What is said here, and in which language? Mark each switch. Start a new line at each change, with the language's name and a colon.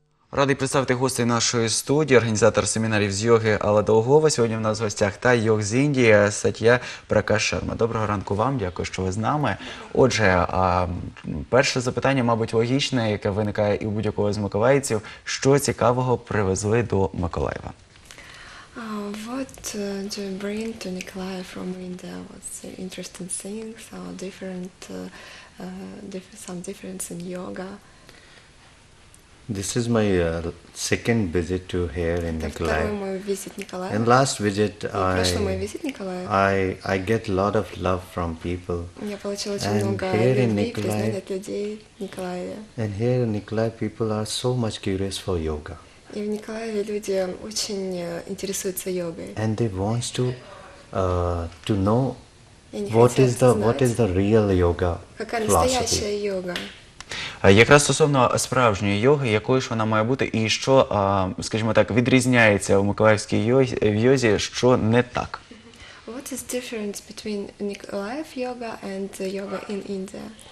Ukrainian: Радий представити гостей нашої студії, організатор семінарів з йоги Алла Долгова. Сьогодні в нас в гостях та йог з Індії Сатья Пракаш Шарма. Доброго ранку вам, дякую, що ви з нами. Отже, перше запитання, мабуть, логічне, яке виникає і у будь-якого з миколаївців. Що цікавого привезли до Миколаєва?
English: What do you bring to Nikolai from India? What's interesting things? How different, some difference in yoga? This is my second visit to here in Nikolai. And last visit, I get a lot of love from people. And here in Nikolai, people are so much curious for yoga.
Russian: И в Николаеве люди очень интересуются йогой.
English: And they want to know what is the real yoga.
Russian: Какая настоящая йога?
Ukrainian: Якраз стосовно справжньої йоги, якою ж вона має бути і що, скажімо так, відрізняється у миколаївській йозі, що не так?
English: What is difference between Николаїв yoga and yoga in India?